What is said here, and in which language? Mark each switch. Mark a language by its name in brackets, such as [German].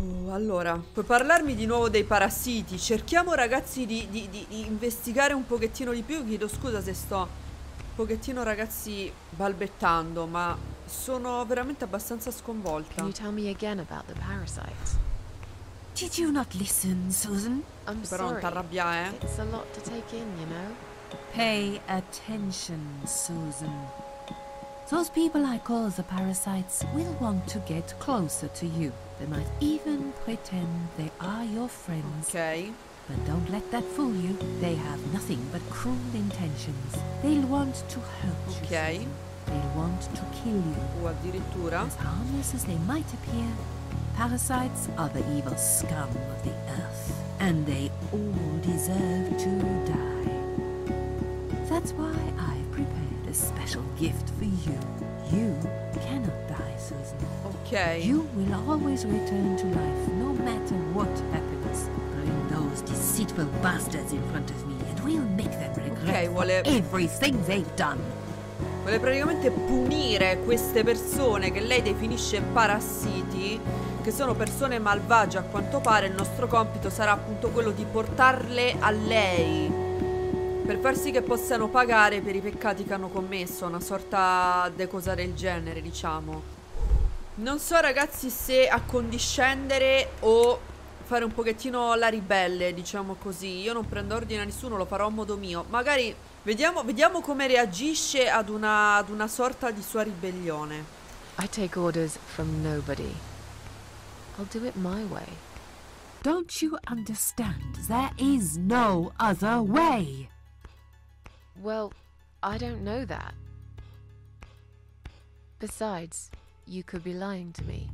[Italian] Allora, puoi parlarmi di nuovo dei parassiti. Cerchiamo ragazzi di investigare un pochettino di più. Chiedo scusa se sto un pochettino ragazzi balbettando, ma sono veramente abbastanza sconvolta. [English] Can you tell me again about the parasites? Did you not listen, Susan? I'm [Italian] però [English] sorry. [Italian] Non t'arrabbiare, eh? [English] It's a lot to take in, you know? Pay attention, Susan. Those people I call the parasites will want to get closer to you. They might even pretend they are your friends. Okay. But don't let that fool you. They have nothing but cruel intentions. They'll want to hurt you. Okay. They'll want to kill you. [Italian] O addirittura. [English] As harmless as they might appear, parasites are the evil scum of the earth. And they all deserve to die. That's why I've prepared a special gift for you. You cannot die, Susan. Okay. You will always return to life, no matter what happens. Bring those deceitful bastards in front of me, and we'll make them regret everything they've done. [Italian] Vuole praticamente punire queste persone che lei definisce parassiti, che sono persone malvagie a quanto pare. Il nostro compito sarà appunto quello di portarle a lei. per far sì che possano pagare per i peccati che hanno commesso, una sorta di cosa del genere, diciamo. Non so, ragazzi, se accondiscendere o fare un pochettino la ribelle, diciamo così. Io non prendo ordine a nessuno, lo farò a modo mio. Magari vediamo, vediamo come reagisce ad una sorta di sua ribellione. [English] I take orders from nobody. I'll do it my way. Don't you understand? There is no other way. Well, I don't know that. Besides, you could be lying to me.